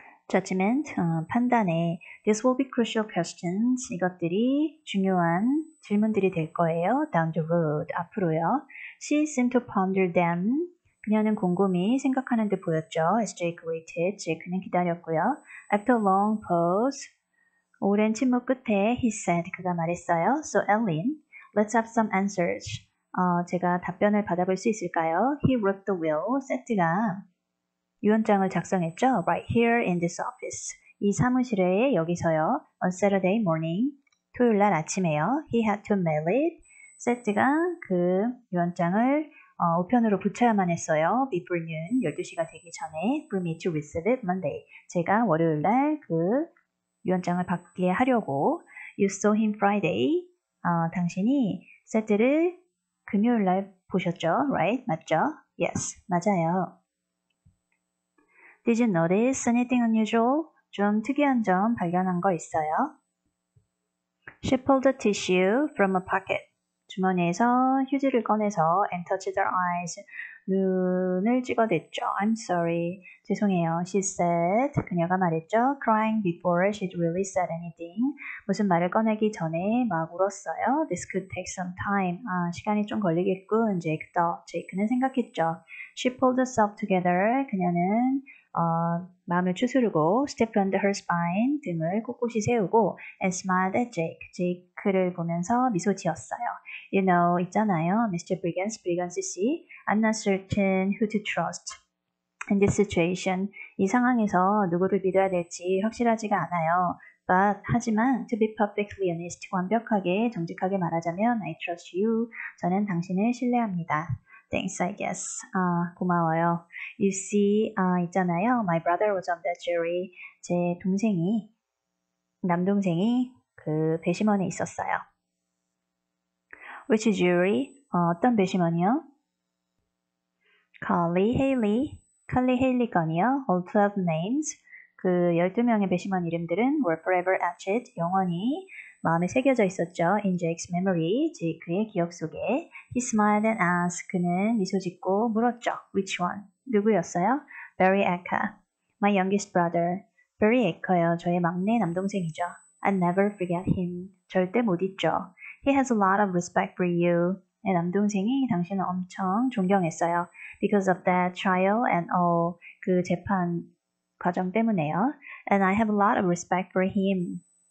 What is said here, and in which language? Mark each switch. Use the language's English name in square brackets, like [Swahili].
[English] judgment, [Korean] 판단에 [English] this will be crucial questions. [Korean] 이것들이 중요한 질문들이 될 거예요. [English] down the road, [Korean] 앞으로요. [English] She seemed to ponder them. [Korean] 그녀는 곰곰이 생각하는 듯 보였죠. [English] As Jake waited, [Korean] 제이크는 기다렸고요. [English] After a long pause, [Korean] 오랜 침묵 끝에 [English] he said, [Korean] 그가 말했어요. [English] So, Ellen, let's have some answers. [Korean] 제가 답변을 받아볼 수 있을까요? [English] He wrote the will, [Korean] 세트가 유언장을 작성했죠. [English] Right here in this office. [Korean] 이 사무실에 여기서요. [English] On Saturday morning, [Korean] 토요일 날 아침에요. [English] He had to mail it. [Korean] 세트가 그 유언장을 우편으로 붙여야만 했어요. [English] Before noon, [Korean] 12시가 되기 전에. [English] For me to receive it Monday. [Korean] 제가 월요일 날그 유언장을 받게 하려고. [English] You saw him Friday. [Korean] 당신이 세트를 금요일 날 보셨죠? [English] Right? [Korean] 맞죠? [English] Yes, [Korean] 맞아요. [English] Did you notice anything unusual? [Korean] 좀 특이한 점 발견한 거 있어요? [English] She pulled a tissue from a pocket. [Korean] 주머니에서 휴지를 꺼내서 [English] and touched her eyes. [Korean] 눈을 찍어댔죠. [English] I'm sorry. [Korean] 죄송해요. [English] She said. [Korean] 그녀가 말했죠. [English] Crying before she'd really said anything. [Korean] 무슨 말을 꺼내기 전에 막 울었어요. [English] This could take some time. [Korean] 아, 시간이 좀 걸리겠군. Jake는 생각했죠. [English] She pulled herself together. [Korean] 그녀는 마음을 추스르고 [English] stiffened her spine [Korean] 등을 꼿꼿이 세우고 [English] and smiled at Jake. [Korean] 제이크를 보면서 미소 지었어요. [English] You know, [Korean] 있잖아요. [English] Mr. Brigance, Brigance 씨. I'm not certain who to trust in this situation. [Korean] 이 상황에서 누구를 믿어야 될지 확실하지가 않아요. [English] But, [Korean] 하지만, [English] to be perfectly honest, [Korean] 완벽하게, 정직하게 말하자면, [English] I trust you. [Korean] 저는 당신을 신뢰합니다. [English] Thanks, I guess. [Korean] 고마워요. [English] You see, [Korean] 있잖아요. [English] My brother was on the jury. [Korean] 제 동생이, 남동생이 그 배심원에 있었어요. [English] Which jury? [Korean] 어떤 배심원이요? [English] Carly Haley. [Korean] Carly Haley 건이요. [English] All 12 names. [Korean] 그 12명의 배심원 이름들은 [English] were forever etched. [Korean] 영원히 마음에 새겨져 있었죠. [English] In Jake's memory. [Korean] 제이크의 기억 속에. [English] He smiled and asked. [Korean] 그는 미소 짓고 물었죠. [English] Which one? [Korean] 누구였어요? Barry Acca. [English] My youngest brother. [Korean] Barry Acca요. 저의 막내 남동생이죠. [English] I'll never forget him. [Korean] 절대 못 잊죠. [English] He has a lot of respect for you. [Korean] 내 남동생이 당신을 엄청 존경했어요. [English] Because of that trial and all. [Korean] 그 재판 과정 때문에요. [English] And I have a lot of respect for him.